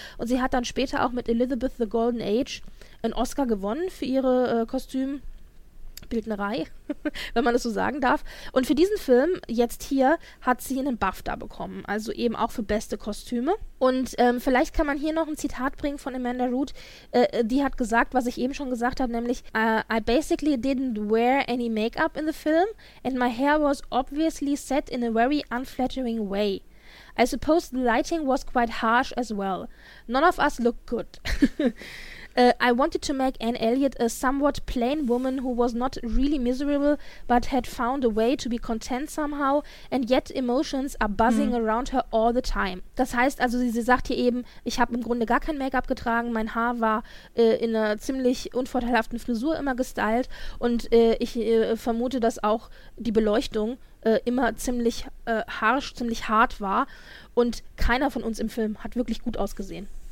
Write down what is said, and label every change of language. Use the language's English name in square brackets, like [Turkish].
[German] Und sie hat dann später auch mit Elizabeth the Golden Age einen Oscar gewonnen für ihre Kostümbildnerei, wenn man das so sagen darf. Und für diesen Film jetzt hier hat sie einen BAFTA bekommen, also eben auch für beste Kostüme. Und vielleicht kann man hier noch ein Zitat bringen von Amanda Root. Die hat gesagt, was ich eben schon gesagt habe, nämlich [English] I basically didn't wear any makeup in the film and my hair was obviously set in a very unflattering way. I suppose the lighting was quite harsh as well. None of us looked good. I wanted to make Anne Elliot a somewhat plain woman who was not really miserable, but had found a way to be content somehow, and yet emotions are buzzing around her all the time. [German] Das heißt also, sie sagt hier eben, ich habe im Grunde gar kein Make-up getragen, mein Haar war in einer ziemlich unvorteilhaften Frisur immer gestylt und ich vermute, dass auch die Beleuchtung immer ziemlich harsch, ziemlich hart war und keiner von uns im Film hat wirklich gut ausgesehen.